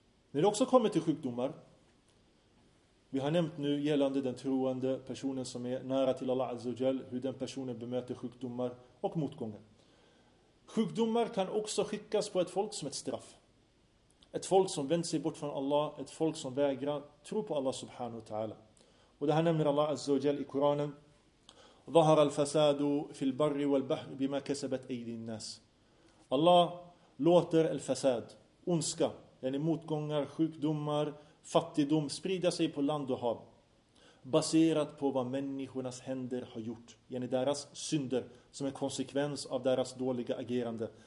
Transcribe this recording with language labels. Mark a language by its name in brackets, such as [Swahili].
[Swedish] När det också kommer till sjukdomar, vi har nämnt nu gällande den troende personen som är nära till Allah Azza wa Jal, hur den personen bemöter sjukdomar och motgångar. Sjukdomar kan också skickas på ett folk som ett straff. Ett folk som vänder sig bort från Allah, ett folk som vägrar tro på Allah subhanahu wa ta'ala. Och det här nämner Allah Azza wa Jal i Koranen. [Arabic] ظهر الفساد في البر والبحر بما كسبت ايدي الناس. [Swedish] Allah låter al-fasad, ondska, yani motgångar, sjukdomar, fattigdom sprida sig på land och hav baserat på vad människornas händer har gjort, yani deras synder som en konsekvens av deras dåliga agerande.